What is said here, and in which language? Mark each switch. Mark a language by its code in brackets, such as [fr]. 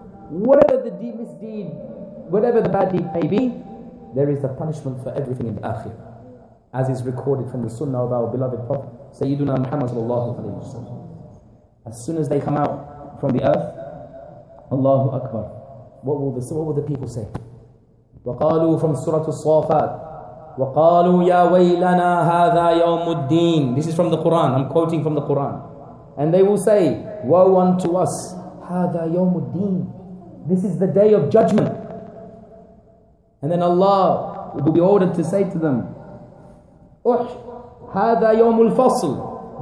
[en] Whatever the misdeed, whatever the bad deed may be, there is a punishment for everything in the akhir. As is recorded from the sunnah of our beloved Prophet, Sayyiduna Muhammad sallallahu alayhi wa sallam. As soon as they come out from the earth, Allahu Akbar. What will the people say? [ar] وَقَالُوا [en] from Surah Al-Safat, [ar] وَقَالُوا يَا وَيْلَنَا هَذَا يَوْمُ الدِّينِ. [en] This is from the Quran. I'm quoting from the Quran. And they will say, woe unto us, [ar] هَذَا يَوْمُ الدِّينِ. [en] This is the day of judgment. And then Allah will be ordered to say to them, [ar] هَذَا يَوْمُ الْفَصْلِ.